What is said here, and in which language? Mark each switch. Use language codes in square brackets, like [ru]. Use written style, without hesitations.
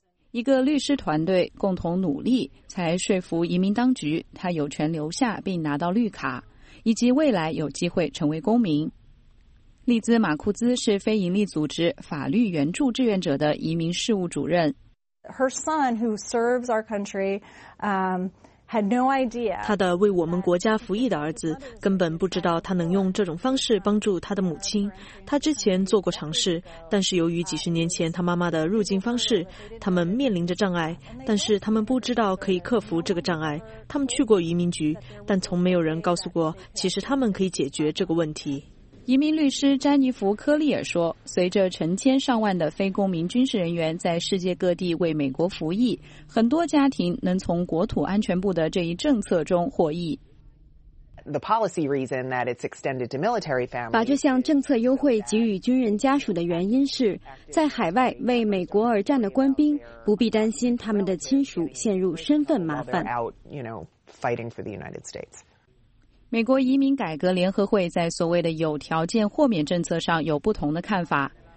[zh] 一个律师团队共同努力才说服移民当局他有权留下并拿到绿卡，以及未来有机会成为公民。利兹·马库兹是非营利组织法律援助志愿者的移民事务主任。 [en] Her son, who serves our country, had no idea. [zh] 他的为我们国家服役的儿子根本不知道他能用这种方式帮助他的母亲。他之前做过尝试，但是由于几十年前他妈妈的入境方式，他们面临着障碍，但是他们不知道可以克服这个障碍。他们去过移民局，但从没有人告诉过，其实他们可以解决这个问题。移民律师詹妮弗·科利尔说，随着成千上万的非公民军事人员在世界各地为美国服役，很多家庭能从国土安全部的这一政策中获益。 [en] The policy reason that it's extended to military families. [zh] 把这项政策优惠给予军人家属的原因是，在海外为美国而战的官兵不必担心他们的亲属陷入身份麻烦。 [en] Fighting for the United States. [zh] 美国移民改革联合会在所谓的有条件豁免政策上有不同的看法。